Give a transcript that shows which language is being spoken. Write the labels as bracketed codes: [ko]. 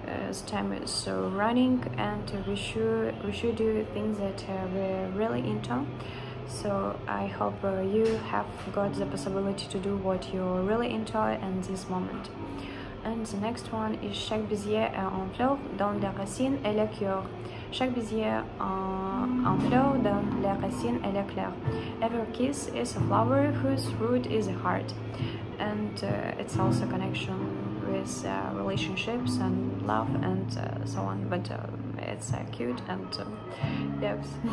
[en] stamina, so running, and we should do things that we're really into. So I hope you have got the possibility to do what you're really into in this moment. And the next one is [fr] chaque baiser en fleur dans les racines et le cœur. Chaque baiser en fleur dans les racines et le cœur. [en] Every kiss is a flower whose root is a heart. And it's also a connection with relationships and love and so on. But it's cute and yes.